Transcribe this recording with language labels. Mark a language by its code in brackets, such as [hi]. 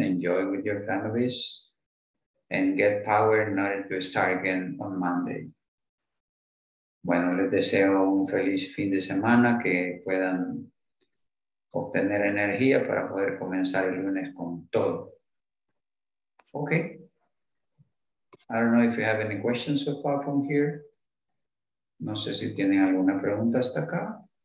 [en] Enjoy with your families and get power in order to start again on Monday. [es] Bueno, les deseo un feliz fin de semana, que puedan obtener energía para poder comenzar el lunes con todo. [en] Okay. I don't know if you have any questions so far from here. [es] No sé si tienen alguna pregunta hasta acá.